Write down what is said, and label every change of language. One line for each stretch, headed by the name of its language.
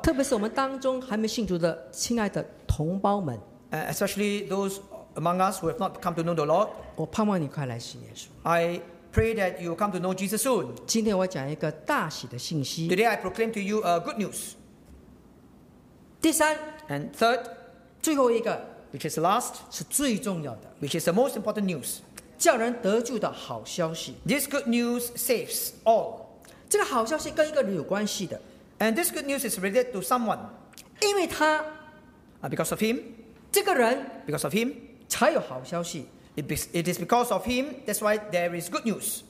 Chinese: 特别是我们当中还没信主的亲爱的同胞们
English: ，especially those among us who have not come to know the Lord,
Chinese: 我盼望你快来信耶稣。
English: I pray that you come to know Jesus soon。
Chinese: 今天我讲一个大喜的信息。
English: Today I proclaim to you a good news。
Chinese: 第三
English: ，and third，
Chinese: 最后一个
English: ，which is the last，
Chinese: 是最重要的
English: ，which is the most important news，
Chinese: 叫人得救的好消息。
English: This good news saves all。
Chinese: 这个好消息跟一个人有关系的
English: ，and this good news is related to someone，
Chinese: 因为他
English: ，because of him，
Chinese: 这个人
English: ，because of him，
Chinese: 才有好消息。
English: It is because of him， that's why there is good news。